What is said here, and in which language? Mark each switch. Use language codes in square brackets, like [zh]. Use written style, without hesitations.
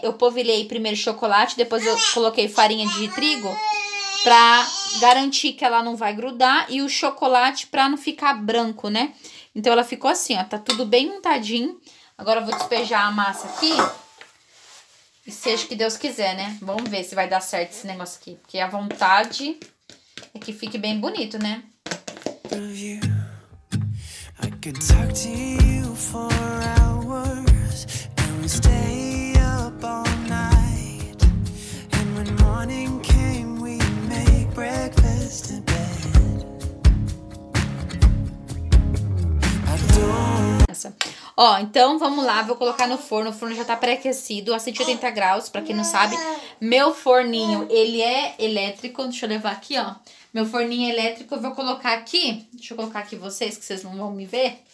[pt] Eu polvilhei primeiro chocolate, depois eu coloquei farinha de trigo pra garantir que ela não vai grudar e o chocolate pra não ficar branco, né? Então ela ficou assim, ó, tá tudo bem untadinho. Agora eu vou despejar a massa aqui e seja o que Deus quiser, né? Vamos ver se vai dar certo esse negócio aqui, porque a vontade é que fique bem bonito, né? [en] I could talk to you for hours, and we stay up all night. And when morning came, we'd make breakfast in bed. [pt] Ó, então vamos lá, vou colocar no forno. O forno já tá pré-aquecido a 180 graus, pra quem não sabe. Meu forninho, ele é elétrico. Deixa eu levar aqui, ó. Meu forninho elétrico, eu vou colocar aqui. Deixa eu colocar aqui vocês, que vocês não vão me ver.